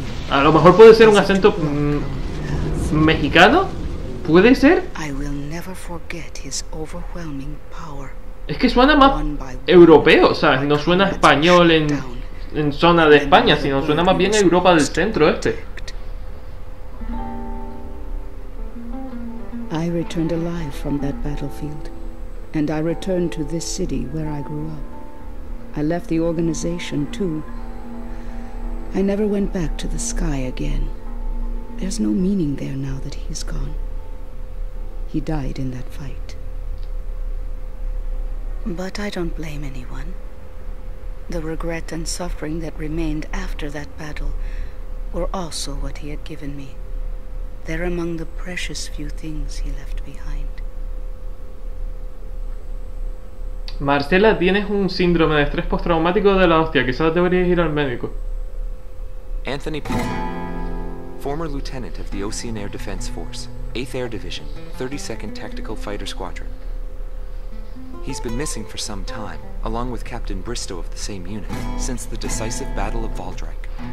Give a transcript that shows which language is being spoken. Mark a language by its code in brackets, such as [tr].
[es] A lo mejor puede ser un acento mexicano. ¿Puede ser? [en] I will never forget his overwhelming power. [es] Es que suena más europeo, o sea, no suena español en zona de España, sino suena más bien a Europa del centro este. [en] I returned alive from that battlefield, and I returned to this city where I grew up. I left the organization too. I never went back to the sky again. There's no meaning there now that he's gone. He died in that fight. But I don't blame anyone. The regret and suffering that remained after that battle were also what he had given me. They're among the precious few things he left behind. [es] Marcela, tienes un síndrome de estrés postraumático de la hostia. Quizás deberías ir al médico. [en] Anthony Palmer, former lieutenant of the Ocean Air Defense Force. 8th Air Division, 32nd Tactical Fighter Squadron. He's been missing for some time, along with Captain Bristow of the same unit, since the decisive Battle of Valdrake.